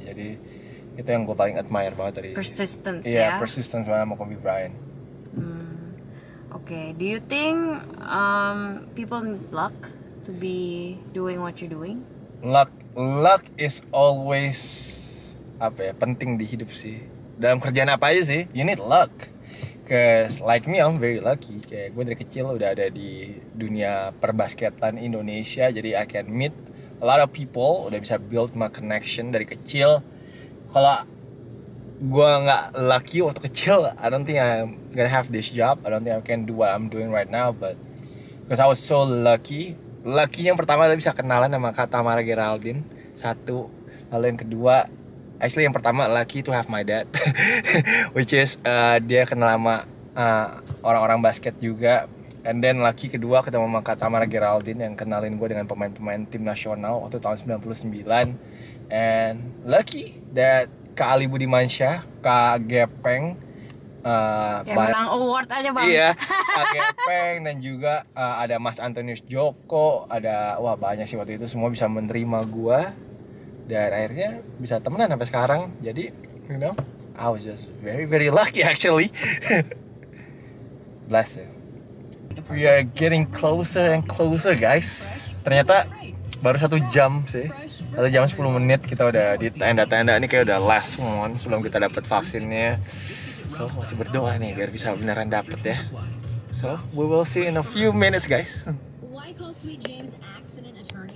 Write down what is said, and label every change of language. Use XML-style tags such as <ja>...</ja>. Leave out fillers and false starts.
<id>Jadi itu yang gue paling admire banget dari</id> <en>persistence</en> <id>ya. Iya, persistence banget sama Kobe Bryant.</id> <en>Okay, do you think people need luck to be doing what you're doing? Luck is always</en> <id>apa ya, penting di hidup sih. Dalam kerjaan apa aja sih,</id> <en>you need luck. Cause like me, I'm very lucky.</en> <id>Kayak gue dari kecil udah ada di dunia perbasketan Indonesia, jadi</id> <en>I can meet a lot of people,</en> <id>udah bisa</id> <en>build my connection</en> <id>dari kecil. Kalau gue gak lucky waktu kecil,</id> <en>I don't think I'm gonna have this job. I don't think I can do what I'm doing right now. But because I was so lucky.</en> <id>Lucky yang pertama adalah bisa kenalan sama Kak Tamara Geraldine. Satu. Lalu yang kedua, actually yang pertama</id> <en>lucky to have my dad. Which is</en> <id>dia kenal sama orang-orang basket juga.</id> <en>And then</en> <id>lucky kedua ketemu sama Kak Tamara Geraldine, yang kenalin gue dengan pemain-pemain tim nasional waktu tahun 99.</id> <en>And lucky that Kak Ali Budimansyah, Kak Gepeng,</en> <id>yang menang award aja bang. Iya, Kak Gepeng, dan juga ada Mas Antonius Joko, ada wah banyak sih waktu itu semua bisa menerima gue, dan akhirnya bisa temenan sampai sekarang.</id> <en>Jadi, you know, I was just very very lucky actually. Bless you. We are getting closer and closer guys.</en> <id>Ternyata baru 1 jam sih. Atau jam 10 menit kita udah di tenda-tenda. Ini kayak udah</id> <en>last one</en> <id>sebelum kita dapat vaksinnya. So, masih berdoa nih biar bisa beneran dapat ya.</id> <en>So, we will see in a few minutes, guys. Why call Sweet James accident attorney?</en>